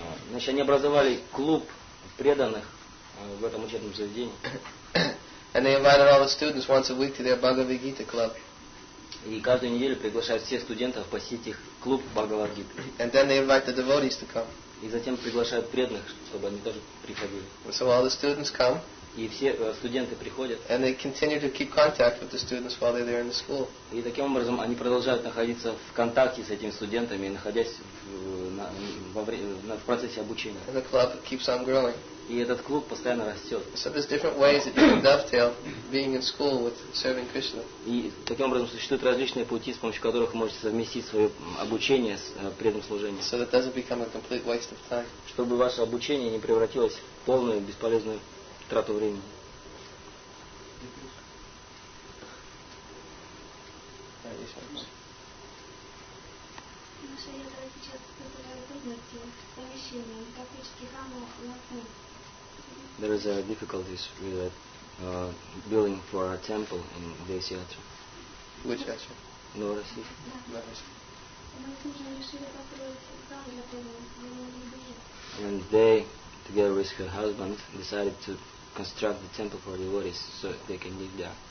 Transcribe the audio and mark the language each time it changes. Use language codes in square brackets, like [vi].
[ru] Значит, они образовали клуб преданных в этом учебном заведении. [en] And they invited all the students once a week to their Bhagavad Gita club. [ru] И каждую неделю приглашают всех студентов посетить их клуб Бхагавад Гиты. [en] And then they invite the devotees to come. [ru] И затем приглашают преданных, чтобы они тоже приходили. [en] So all the students come. [ru] И все студенты приходят. [en] And they continue to keep contact with the students while they're there in the school. [ru] И таким образом они продолжают находиться в контакте с этими студентами, находясь в процессе обучения. [en] And the club keeps on growing. [ru] И этот клуб постоянно растет. [en] So there's different ways that you can dovetail being in school with serving Krishna. [ru] И таким образом существуют различные пути, с помощью которых можете совместить свое обучение с преданным служением. [en] So that doesn't become a complete waste of time. [ru] Чтобы ваше обучение не превратилось в полную бесполезную трату времени. Наша ядра сейчас позволяет выбрать помещение для кучки храма Лакхи. [en] There is a difficulty with the building for a temple in this yatra. Which yatra? No, Rasi. And they, together with her husband, decided to construct the temple for the devotees so they can live there.